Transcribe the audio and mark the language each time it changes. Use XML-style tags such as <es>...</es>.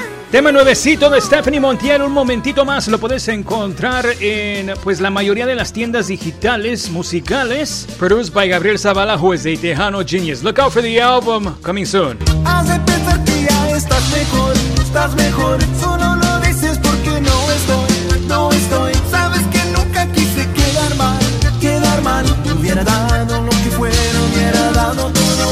<es>Tema nuevecito de Stephanie Montiel, un momentito más, lo puedes encontrar en pues la mayoría de las tiendas digitales musicales.</es> <en>Produced by Gabriel Zavala, who is a Tejano genius. Look out for the album coming soon.</en> <es>Haz de pensar que ya estás mejor, solo lo dices porque no estoy, no estoy. Sabes que nunca quise quedar mal, hubiera dado lo que fuera, hubiera dado todo.</es>